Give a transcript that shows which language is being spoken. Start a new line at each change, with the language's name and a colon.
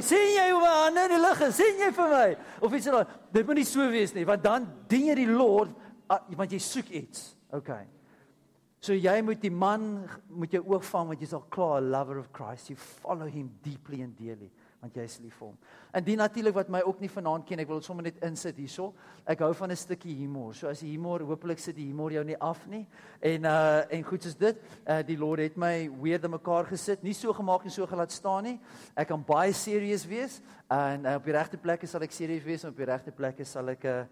Afrikaans: Sien jy hoe my hande in die lug is? Sien jy vir my? Of iets so. Dit moet nie so wees nie, want dan dien jy die Lord want jy soek iets. Okay. So jy moet die man, moet jy oog vang, want jy is al klaar,
English: a lover of Christ. You follow him deeply and dearly,
Afrikaans: want jy is lief vir hom. En die natuurlik wat my ook nie vanaand ken, ek wil sommer net insit hierso. Ek hou van 'n stukkie humor. So as die humor, hopelik sit die humor jou nie af nie. En goed soos dit, die Lord het my weer de mekaar gesit. Nie so gemaak en so gelaat staan nie. Ek kan baie serious wees. En op die regte plekke sal ek serious wees, en op die regte plekke sal ek...